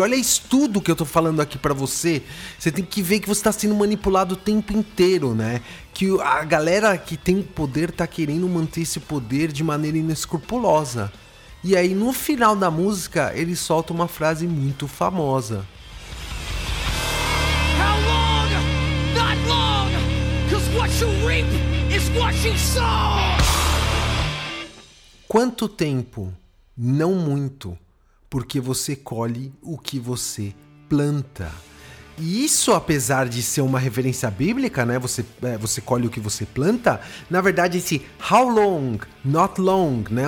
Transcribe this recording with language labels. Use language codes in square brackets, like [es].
[pt] Olha isso tudo que eu tô falando aqui pra você. Você tem que ver que você tá sendo manipulado o tempo inteiro, né? Que a galera que tem poder tá querendo manter esse poder de maneira inescrupulosa. E aí, no final da música, ele solta uma frase muito famosa. [en] How long? Not long. 'Cause what you reap is what you sow. [pt] Quanto tempo? Não muito, porque você colhe o que você planta. E isso, apesar de ser uma referência bíblica, né? Você colhe o que você planta, na verdade esse [en] how long, not long, [pt] né?